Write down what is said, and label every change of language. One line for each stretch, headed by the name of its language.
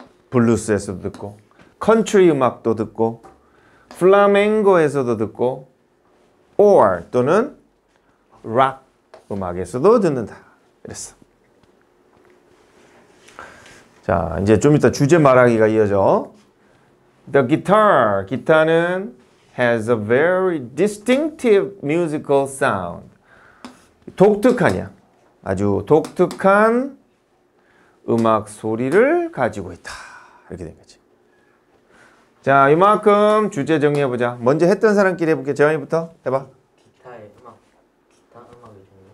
Korean: 블루스에서도 듣고, 컨트리 음악도 듣고, 플라멩고에서도 듣고,
English: or
Korean: 또는 락 음악에서도 듣는다. 이랬어. 자, 이제 좀 이따 주제 말하기가 이어져.
English: The guitar,
Korean: 기타는
English: has a very distinctive musical sound.
Korean: 독특하냐? 아주 독특한 음악 소리를 가지고 있다. 이렇게 된 거지. 자, 이만큼 주제 정리해보자. 먼저 했던 사람끼리 해볼게. 재환이부터 해봐. 기타의 음악, 기타 음악의 종류.